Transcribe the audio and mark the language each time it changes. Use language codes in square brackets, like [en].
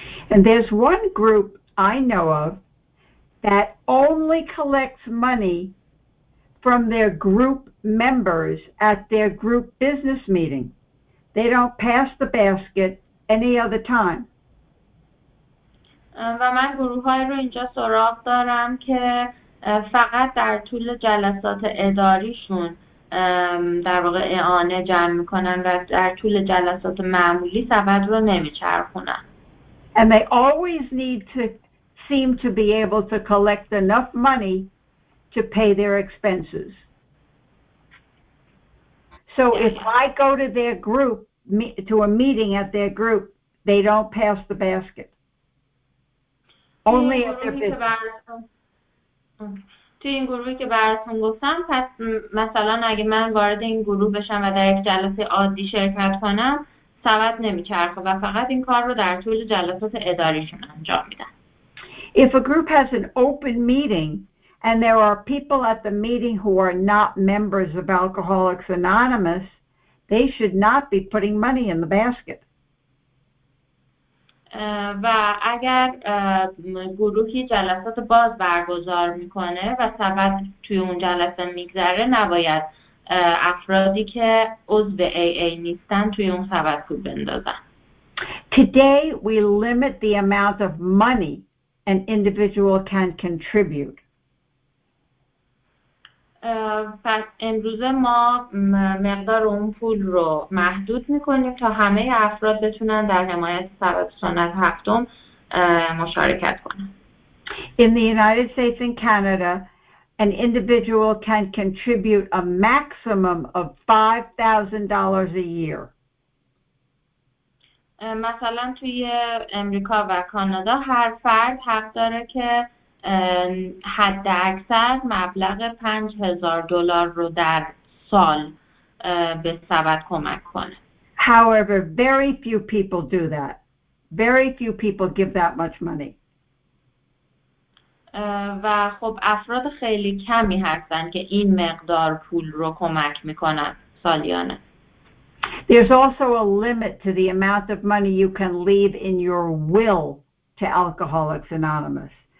[en] And there's one group I know of that only collects money from their group members at their group business meeting. They don't pass the basket any other time. [fa] و من گروه های رو اینجا سراغ دارم که فقط در طول جلسات اداریشون در واقع اعانه جمع میکنن و در طول جلسات معمولی سبد رو نمیچرخونن. [en] And they always need to seem to be able to collect enough money to pay their expenses. So if I go to their group, to a meeting at their group, they don't pass the basket. Only at their business. [fa] توی این گروهی که براتون گفتم، پس مثلا اگه من وارد این گروه بشم و در یک جلسه عادی شرکت کنم، سبد نمیچرخه و فقط این کار رو در طول جلسات اداریشون انجام میدن. [en] If a group has an open meeting and there are people at the meeting who are not members of Alcoholics Anonymous, they should not be putting money in the basket. [fa] و اگر گروهی جلسات باز برگزار میکنه و سبد توی اون جلسه میگذره، نباید افرادی که عضو AA نیستن توی اون سبد پول بندازن. [en] Today we limit the amount of money an individual can contribute. [fa] پس امروز ما مقدار اون پول رو محدود میکنیم تا همه افراد بتونن در حمایت سبد سنت هفتم مشارکت کنن. [en] In the United States and Canada, an individual can contribute a maximum of $5,000 a year. [fa] مثلا توی امریکا و کانادا هر فرد حق داره که حد اکثر مبلغ $5,000 رو در سال به سبد کمک کنه. [en] However, very few people do that. Very few people give that much money. [fa] و خب افراد خیلی کمی هستن که این مقدار پول رو کمک میکنن سالیانه. [en] There's also a limit to the amount of money you can leave in your will to Alcoholics Anonymous.